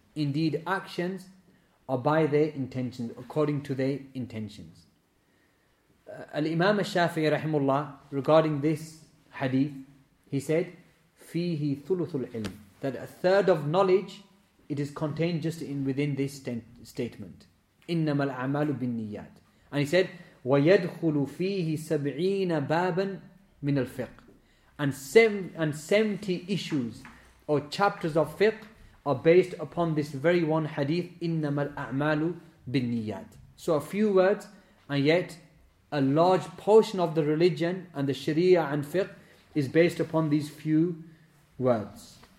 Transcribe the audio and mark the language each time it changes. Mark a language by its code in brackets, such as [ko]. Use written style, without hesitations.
[en] Indeed, actions are by their intentions, according to their intentions. Al-Imam al-Shafi'i rahimullah, regarding this hadith, he said, [ar] "Fihi thuluthul ilm." [en] That a third of knowledge, it is contained just in within this statement. [ar] Innamal a'malu binniyat. [en] And he said, [ar] وَيَدْخُلُ فِيهِ سَبْعِينَ بَابًا مِنَ الْفِقْ. [en] And 70 issues or chapters of fiqh are based upon this very one hadith, [ar] innamal a'malu binniyat. [en] So a few words, and yet a large portion of the religion and the sharia and fiqh is based upon these few words.